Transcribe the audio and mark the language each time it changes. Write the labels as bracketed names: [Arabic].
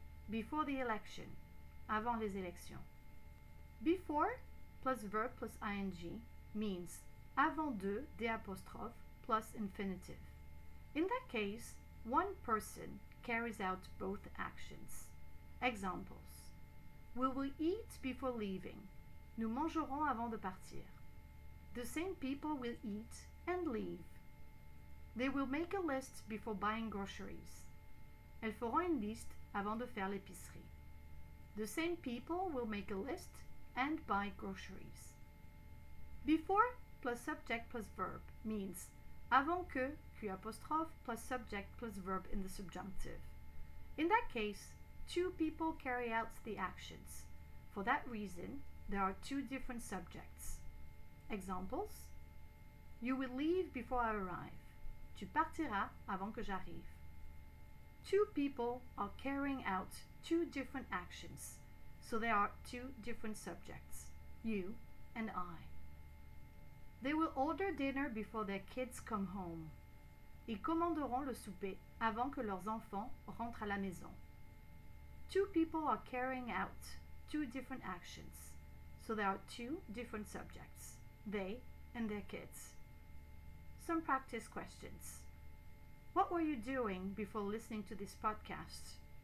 [English] Before the election, [French] avant les élections. [English] Before plus verb plus ing means avant de, d' apostrophe, plus infinitive. In that case, one person carries out both actions. Examples: we will eat before leaving. [French] Nous mangerons avant de partir. [English] The same people will eat and leave. They will make a list before buying groceries. [French] Elles feront une liste avant de faire l'épicerie. [English] The same people will make a list and buy groceries. Before plus subject plus verb means avant que, puis apostrophe, plus subject plus verb in the subjunctive. In that case, two people carry out the actions. For that reason, there are two different subjects. Examples: you will leave before I arrive. [French] Tu partiras avant que j'arrive. [English] Two people are carrying out two different actions, so there are two different subjects, you and I. They will order dinner before their kids come home. [French] Ils commanderont le souper avant que leurs enfants rentrent à la maison. [English] Two people are carrying out two different actions, so there are two different subjects, they and their kids. Some practice questions. What were you doing before listening to this podcast?